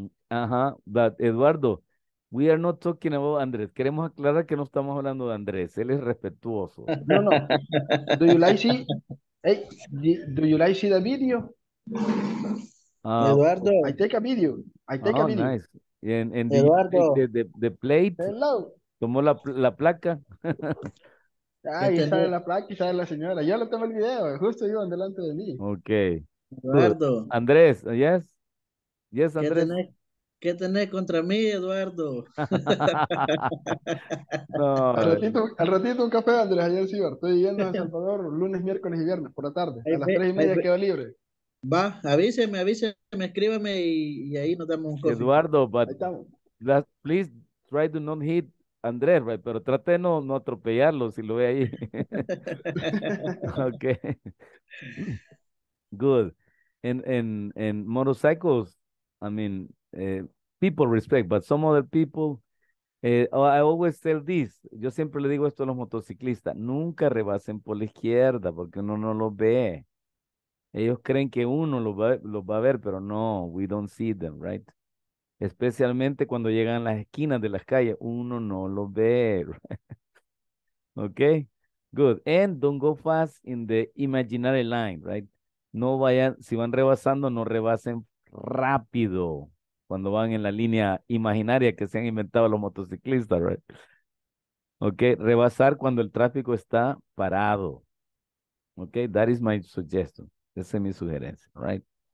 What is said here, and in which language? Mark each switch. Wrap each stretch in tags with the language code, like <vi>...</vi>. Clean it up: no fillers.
<en>ajá, but Eduardo, we are not talking about Andrés.</en> <es>Queremos aclarar que no estamos hablando de Andrés, él es respetuoso.</es> <en>No, no. Do you like see the video? Eduardo, I take a video. I take a video. Nice. And Eduardo, the plate, hello.</en> <es>Tomó la placa. Ahí sale la placa y sale la señora. Yo le tomo el video, justo iba delante de mí.</es> <en>Ok. Eduardo. Andrés, yes. Yes, Andrés.</en> <es>¿Qué tenés contra mí, Eduardo? No. Al ratito un café, Andrés, allá en Ciber. Estoy yendo a El Salvador lunes, miércoles y viernes por la tarde. A las 3:30 quedo libre. Va, avíseme, escríbeme y ahí nos damos un coffee.</es> <en>Eduardo, but that, please try to not hit Andrés, right?</en> <es>Pero trate de no atropellarlo si lo ve ahí.</es> <en>Okay. Good. And motorcycles, I mean, people respect, but some other people, I always tell this,</en> <es>yo siempre le digo esto a los motociclistas, nunca rebasen por la izquierda porque uno no lo ve. Ellos creen que uno los va a ver, pero no,</es> <en>we don't see them, right?</en> <es>Especialmente cuando llegan a las esquinas de las calles, uno no los ve.</es> <en>Okay, good. And don't go fast in the imaginary line, right?</en> <es>No vayan, si van rebasando, no rebasen rápido cuando van en la línea imaginaria que se han inventado los motociclistas, right? Okay, rebasar cuando el tráfico está parado.</es> <en>Okay, that is my suggestion.</en> <es>Esa es mi sugerencia, right?</es>